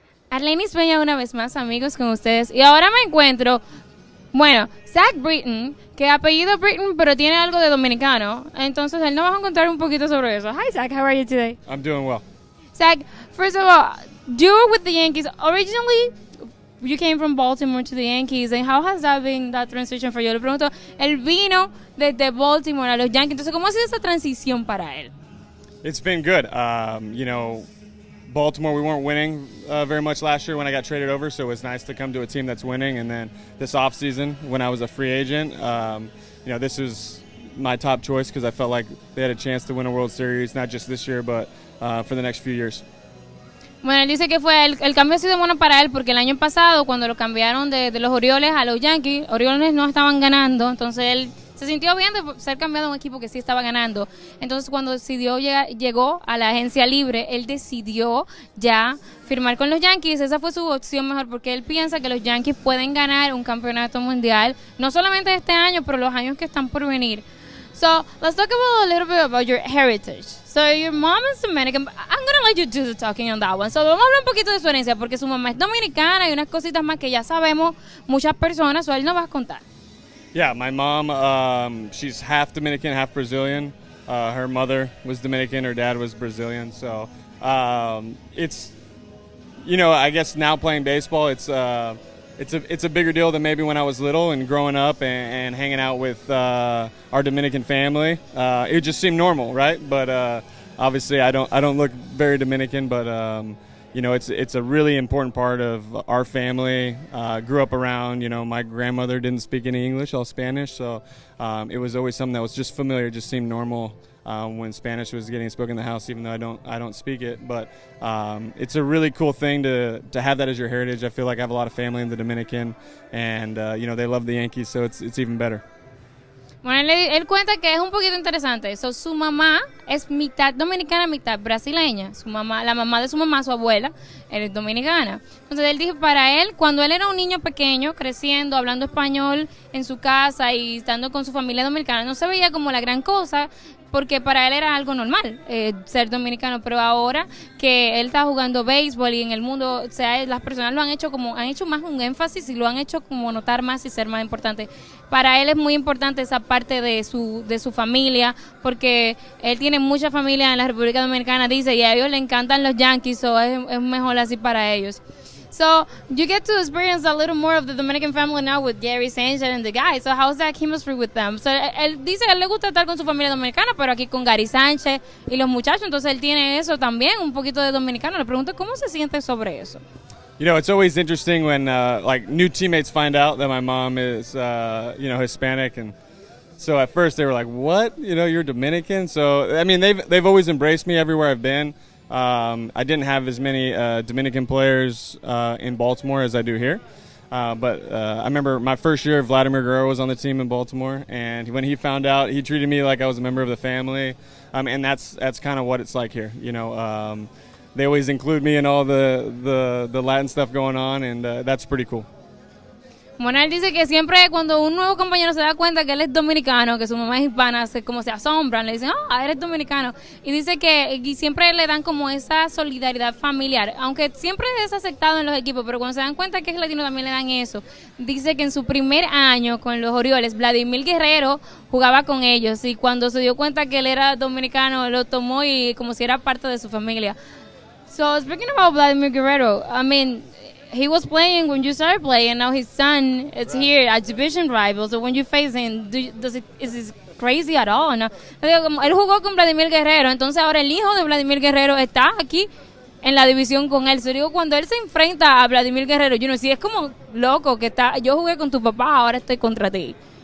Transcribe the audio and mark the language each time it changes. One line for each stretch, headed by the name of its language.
Spanish: Arlenis Peña, una vez más, amigos, con ustedes. Y ahora me encuentro, bueno, Zach Britton, que apellido Britton, pero tiene algo de dominicano. Entonces, él nos va a contar un poquito sobre eso.
English: Hi, Zach. How are you today? I'm doing well. Zach, first of all, you were with the Yankees. Originally, you came from Baltimore to the Yankees. And how has that been, that transition for you?
Spanish: Le pregunto, él vino desde Baltimore a los Yankees. Entonces, ¿cómo ha sido esa transición para él?
English: It's been good. You know, Baltimore, we weren't winning very much last year when I got traded over, so it was nice to come to a team that's winning. And then this offseason, when I was a free agent, you know, this was my top choice because I felt like they had a chance to win a World Series, not just this year, but for the next few years.
Spanish: Bueno, él dice que fue el cambio ha sido bueno para él porque el año pasado, cuando lo cambiaron de los Orioles a los Yankees, Orioles no estaban ganando, entonces él se sintió bien de ser cambiado a un equipo que sí estaba ganando. Entonces, cuando decidió llegó a la agencia libre, él decidió ya firmar con los Yankees. Esa fue su opción mejor porque él piensa que los Yankees pueden ganar un campeonato mundial, no solamente este año, pero los años que están por venir.
English: So, let's talk about a little bit about your heritage. So, your mom is Dominican. I'm going to let you do the talking on that one.
Spanish: So, vamos a hablar un poquito de su herencia porque su mamá es dominicana y unas cositas más que ya sabemos muchas personas, o él nos va a contar.
English: Yeah, my mom, she's half Dominican, half Brazilian. Her mother was Dominican, her dad was Brazilian. So it's, you know, I guess now playing baseball, it's a bigger deal than maybe when I was little and growing up and hanging out with our Dominican family. It just seemed normal, right? But obviously, I don't look very Dominican, but you know, it's a really important part of our family. Grew up around, you know, my grandmother didn't speak any English, all Spanish. So it was always something that was just familiar, just seemed normal when Spanish was getting spoken in the house, even though I don't speak it. But it's a really cool thing to have that as your heritage. I feel like I have a lot of family in the Dominican, and, you know, they love the Yankees, so it's even better.
Spanish: Bueno, él cuenta que es un poquito interesante. So, su mamá es mitad dominicana, mitad brasileña. Su mamá, la mamá de su mamá, su abuela, él es dominicana. Entonces, él dijo, para él, cuando él era un niño pequeño, creciendo, hablando español en su casa y estando con su familia dominicana, no se veía como la gran cosa, porque para él era algo normal ser dominicano. Pero ahora que él está jugando béisbol y en el mundo, o sea, las personas lo han hecho como, han hecho más un énfasis y lo han hecho como notar más y ser más importante. Para él es muy importante esa parte de su familia, porque él tiene mucha familia en la República Dominicana, dice, y a ellos le encantan los Yankees, o es mejor así para ellos.
English: So, you get to experience a little more of the Dominican family now with Gary Sanchez and the guys. So, how's that chemistry with them?
Spanish: So, él dice que él le gusta estar con su familia dominicana, pero aquí con Gary Sanchez y los muchachos. Entonces, él tiene eso también, un poquito de dominicano. Le pregunto, ¿cómo se siente sobre eso?
English: You know, it's always interesting when, like, new teammates find out that my mom is, you know, Hispanic. And so, at first, they were like, what? You know, you're Dominican? So, I mean, they've always embraced me everywhere I've been. I didn't have as many Dominican players in Baltimore as I do here, but I remember my first year, Vladimir Guerrero was on the team in Baltimore, and when he found out, he treated me like I was a member of the family, and that's kind of what it's like here. You know, they always include me in all the Latin stuff going on, and that's pretty cool.
Spanish: Bueno, él dice que siempre cuando un nuevo compañero se da cuenta que él es dominicano, que su mamá es hispana, como se asombran, le dicen, ah, oh, eres dominicano. Y dice que y siempre le dan como esa solidaridad familiar, aunque siempre es aceptado en los equipos, pero cuando se dan cuenta que es latino también le dan eso. Dice que en su primer año con los Orioles, Vladimir Guerrero jugaba con ellos y cuando se dio cuenta que él era dominicano, lo tomó y como si era parte de su familia.
English: So, speaking about Vladimir Guerrero, I mean, he was playing when you started playing, now his son is right here, a division rival. So when you face him, is this crazy at all?
Spanish: No. Él jugó con Vladimir Guerrero, entonces ahora el hijo de Vladimir Guerrero está aquí en la división con él. So digo, cuando él se enfrenta a Vladimir Guerrero, you know, si es como loco que está, yo jugué con tu papá, ahora estoy contra ti.